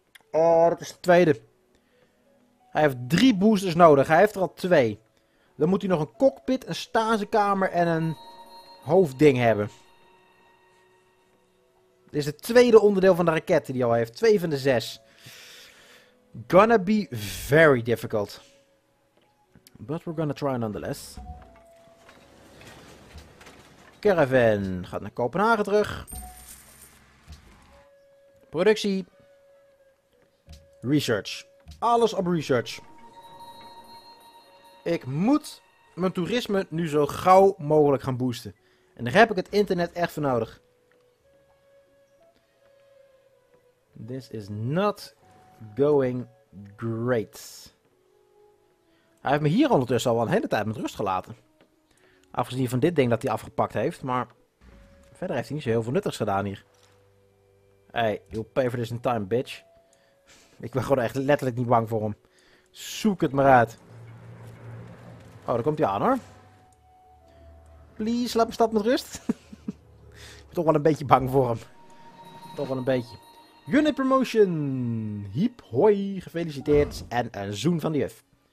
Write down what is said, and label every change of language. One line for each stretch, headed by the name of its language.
Dutch: Oh, dat is de tweede. Hij heeft 3 boosters nodig. Hij heeft er al 2. Dan moet hij nog een cockpit, een stasekamer en een hoofdding hebben. Dit is het tweede onderdeel van de raket die hij al heeft. 2 van de 6.
English: Gonna be very difficult. But we're gonna try nonetheless.
Dutch: Caravan gaat naar Kopenhagen terug. Productie. Research. Alles op research. Ik moet mijn toerisme nu zo gauw mogelijk gaan boosten. En daar heb ik het internet echt voor nodig.
English: This is not going great.
Dutch: Hij heeft me hier ondertussen al wel een hele tijd met rust gelaten. Afgezien van dit ding dat hij afgepakt heeft, maar verder heeft hij niet zo heel veel nuttigs gedaan hier.
English: Hey, you'll pay for this in time, bitch.
Dutch: Ik ben gewoon echt letterlijk niet bang voor hem. Zoek het maar uit. Oh, daar komt hij aan hoor. Please, laat me stad met rust. Ik ben toch wel een beetje bang voor hem. Toch wel een beetje. Unit promotion! Hiep hoi, gefeliciteerd en een zoen van de juf.